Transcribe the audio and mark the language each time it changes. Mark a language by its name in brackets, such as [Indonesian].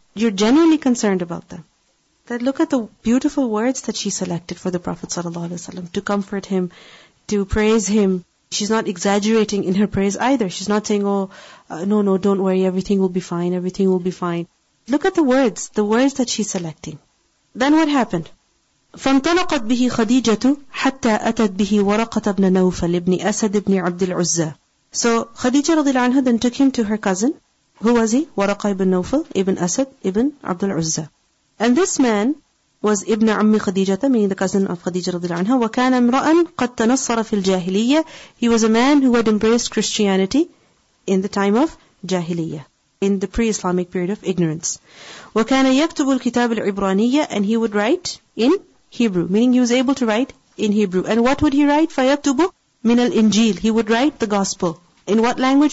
[English] You're genuinely concerned about them. That look at the beautiful words that she selected for the Prophet ﷺ, to comfort him, to praise him. She's not exaggerating in her praise either. She's not saying, no, don't worry, everything will be fine, everything will be fine. Look at the words that she's selecting. Then what happened? [Arabic] فانطلقت به خديجة حتى أتت به ورقة ابن نوفل ابن أسد ابن عبد العزة. [English] So خديجة [Arabic] رضي الله عنها [English] then took him to her cousin. Who was he? [Arabic] ورقة ابن نوفل ابن أسد ابن عبد العزة. [English] And this man was [Arabic] ابن عمي خديجة, [English] meaning the cousin of خديجة [Arabic] رضي الله عنها. وكان امرأ قد تنصر في الجاهلية. [English] He was a man who had embraced Christianity in the time of جاهلية, in the pre-Islamic period of ignorance. [Arabic] وكان يكتب الكتاب العبرانية, [English] and he would write in Hebrew, meaning he was able to write in Hebrew. And what would he write? [Arabic] فَيَكْتُبُ مِنَ الْإِنْجِيلِ. [English] He would write the gospel. In what language?